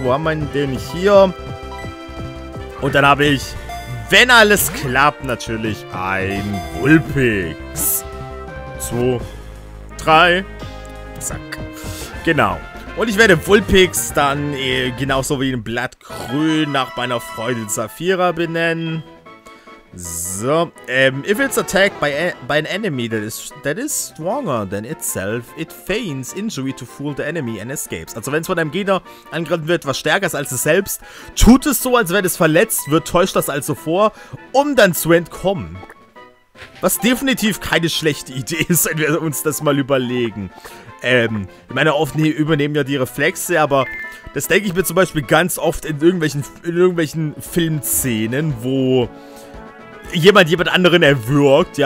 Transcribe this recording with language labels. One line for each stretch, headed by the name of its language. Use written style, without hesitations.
German: Wo haben wir denn hier? Und dann habe ich, wenn alles klappt, natürlich ein Vulpix. 2, 3. Zack. Genau. Und ich werde Vulpix dann genauso wie ein Blattgrün nach meiner Freude Saphira benennen. So.
English: If it's attacked by an enemy that is stronger than itself, it feigns injury to fool the enemy and escapes.
German: Also wenn es von einem Gegner angegriffen wird, was stärker ist als es selbst, tut es so, als wenn es verletzt wird, täuscht das also vor, um dann zu entkommen. Was definitiv keine schlechte Idee ist, wenn wir uns das mal überlegen. Ich meine, oft übernehmen ja die Reflexe, aber das denke ich mir zum Beispiel ganz oft in irgendwelchen Filmszenen, wo jemand anderen erwürgt.